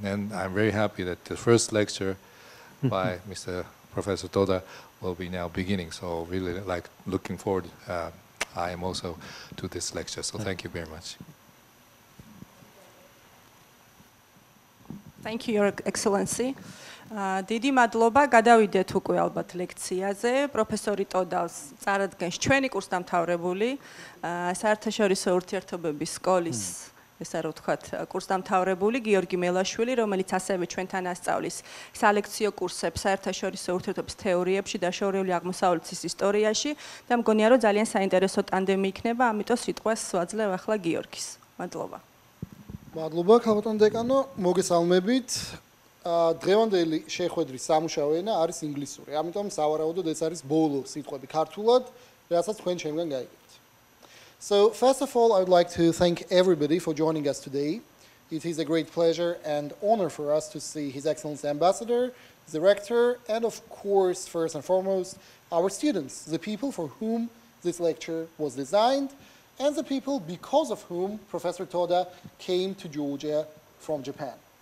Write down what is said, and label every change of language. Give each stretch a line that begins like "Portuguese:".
English: And I'm very happy that the first lecture by Mr. Professor Toda will be now beginning. So really like looking forward, I am also to this lecture. So thank you very much. Thank you, Your Excellency.
Georgian: Დიდი მადლობა, გადავიდეთ უკვე ალბათ ლექციაზე. პროფესორი ტოდას წარადგენს ჩვენი კურსდამთავრებული საერთაშორისო ურთიერთობების სკოლის, ეს არ ვთქვათ, კურსდამთავრებული გიორგი მელაშვილი, რომელიც ასევე ჩვენთან ასწავლის სალექციო კურსებს საერთაშორისო ურთიერთობის თეორიებში და შორეული აღმოსავლეთის ისტორიაში და მგონია, რომ ძალიან საინტერესო ტანდემი იქნება, ამიტომ სიტყვას ვაძლევ ახლა გიორგის. მადლობა. მადლობა, ქალბატონ დეკანო, მოგესალმებით. დღევანდელი შეხვედრის სამუშაო ენა არის ინგლისური, ამიტომ სავარაუდოდ ეს არის ბოლო სიტყვები ქართულად, რასაც თქვენ ჩემგან გაიგებთ.
English: So first of all, I would like to thank everybody for joining us today. It is a great pleasure and honor for us to see His Excellency Ambassador, the Rector, and of course, first and foremost, our students, the people for whom this lecture was designed, and the people because of whom Professor Toda came to Georgia from Japan.